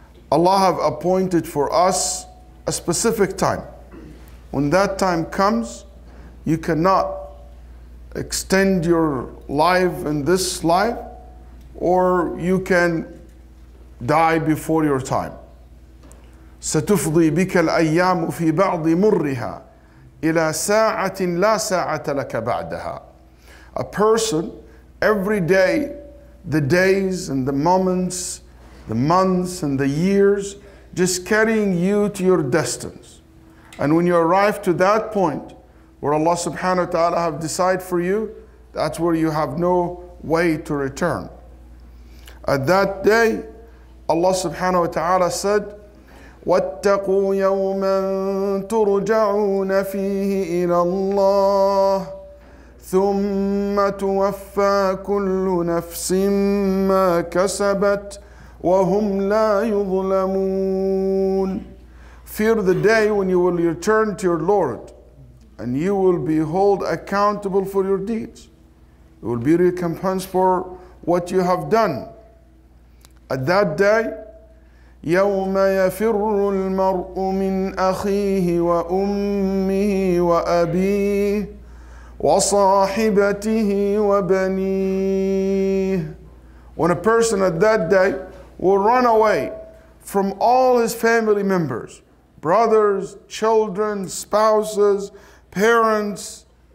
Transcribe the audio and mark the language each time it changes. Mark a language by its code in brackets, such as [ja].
[en] Allah have appointed for us a specific time. When that time comes, you cannot extend your life in this life, or you can die before your time. [ar] ستفضي بك الأيام في بعض مرها إلى ساعة لا ساعة لك بعدها. [en] A person, every day, the days and the moments, the months and the years, just carrying you to your destinies. And when you arrive to that point where Allah subhanahu wa ta'ala have decided for you, that's where you have no way to return. At that day, Allah subhanahu wa ta'ala said, [ar] وَاتَّقُوا يَوْمًا تُرْجَعُونَ فِيهِ إِلَى اللَّهِ ثُمَّ تُوَفَّى كُلُّ نَفْسٍ مَا كَسَبَتْ وَهُمْ لَا يُظْلَمُونَ. [en] Fear the day when you will return to your Lord and you will be held accountable for your deeds. You will be recompensed for what you have done. At that day, [ar] يَوْمَ يَفِرُّ الْمَرْءُ مِنْ أَخِيهِ وَأُمِّهِ وَأَبِيهِ وَصَاحِبَتِهِ وَبَنِيهِ. [en] When a person at that day will run away from all his family members, brothers, children, spouses, parents.